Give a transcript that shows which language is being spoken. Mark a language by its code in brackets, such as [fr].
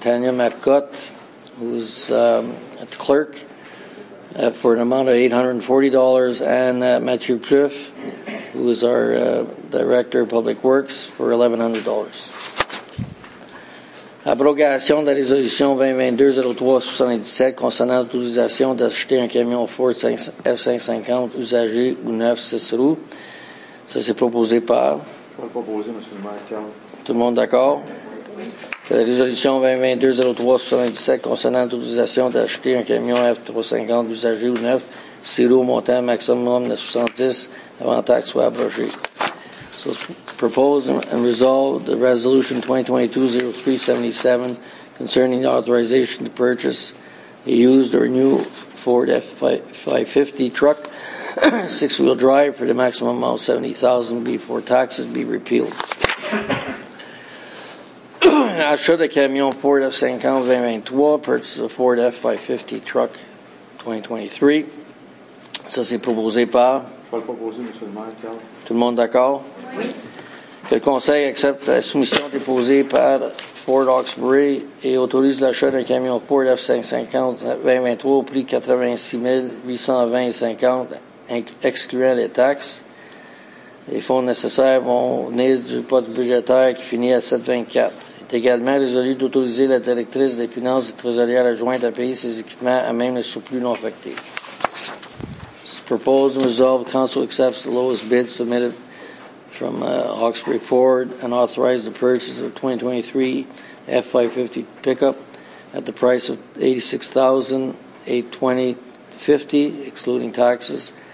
[en] Tanya Marcotte, who's a clerk, for an amount of $840. And Mathieu Pleuf, who is our director of public works, for $1,100. [fr] Abrogation de la résolution 2022-03-77 concernant l'autorisation d'acheter un camion Ford F-550 usagé ou neuf 6 roues. Ça, c'est proposé par... Je vais le proposer, M. le maire. Tout le monde d'accord? Oui. La résolution 2022-03-77 concernant l'autorisation d'acheter un camion F-350 usagé ou neuf 6 roues au montant maximum de 70 avant taxe soit abrogé. [en] So propose and resolve the resolution 2022-03-77 concerning the authorization to purchase a used or new Ford F-550 truck, six-wheel drive, for the maximum amount of $70,000 before taxes be repealed. [fr] Achat de camion Ford F-50-2023, [en] purchase of Ford F-550 truck 2023. [fr] Ça, c'est proposé par... Je vais le proposer, M. le maire. Tout le monde d'accord? Oui. Le conseil accepte la soumission déposée par Ford Hawkesbury et autorise l'achat d'un camion Ford F-550-2023 au prix de $86,820.50, excluant les taxes. Les fonds nécessaires vont venir du pote budgétaire qui finit à 7,24. Il est également résolu d'autoriser la directrice des finances et trésorière adjointe à payer ses équipements à même les surplus non affectés. [en] Proposed and resolved, Council accepts the lowest bid submitted from Hawkesbury Ford and authorized the purchase of 2023 F-550 pickup at the price of $86,820.50, excluding taxes.